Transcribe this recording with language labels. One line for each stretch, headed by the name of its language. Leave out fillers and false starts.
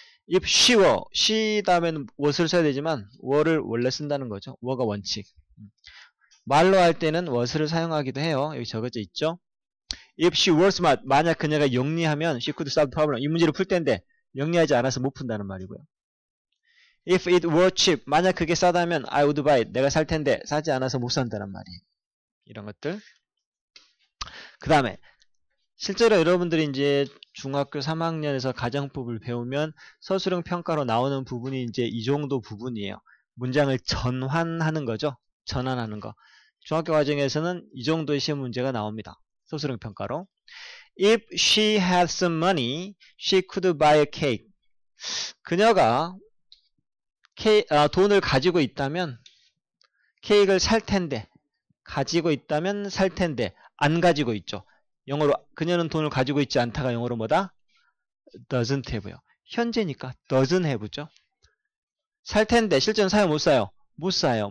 English: If she were, she
Korean: 다음에는 was를 써야 되지만 were를 원래 쓴다는 거죠. were가 원칙. 말로 할 때는 was를 사용하기도 해요. 여기 적어져 있죠.
English: If she were smart,
Korean: 만약 그녀가 영리하면
English: she could solve the problem.
Korean: 이 문제를 풀 텐데 영리하지 않아서 못 푼다는 말이고요.
English: If it were cheap,
Korean: 만약 그게 싸다면
English: I would buy it.
Korean: 내가 살 텐데 사지 않아서 못 산다는 말이에요. 이런 것들. 그 다음에 실제로 여러분들이 이제 중학교 3학년에서 가정법을 배우면 서술형 평가로 나오는 부분이 이제 이 정도 부분이에요. 문장을 전환하는 거죠. 전환하는 거. 중학교 과정에서는 이 정도의 시험 문제가 나옵니다. 서술형 평가로.
English: If she had some money, she could buy a cake.
Korean: 그녀가 돈을 가지고 있다면 케이크를 살 텐데, 가지고 있다면 살 텐데, 안 가지고 있죠. 영어로 그녀는 돈을 가지고 있지 않다가 영어로 뭐다?
English: doesn't have
Korean: 요. 현재니까
English: doesn't have
Korean: 죠. 살 텐데 실제는 사요 못 사요? 못 사요.